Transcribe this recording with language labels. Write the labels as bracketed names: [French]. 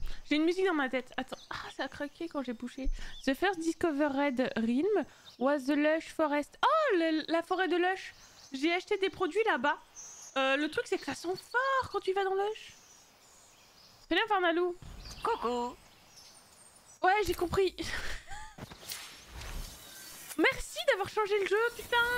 [French] J'ai une musique dans ma tête. Attends, ah, ça a craqué quand j'ai bouché. [English] The first discovered realm was the Lush Forest. [French] Oh, la forêt de Lush. J'ai acheté des produits là-bas. Le truc, c'est que ça sent fort quand tu vas dans Lush. C'est bien, Farnalou. Coucou. Ouais, j'ai compris. Merci d'avoir changé le jeu, putain.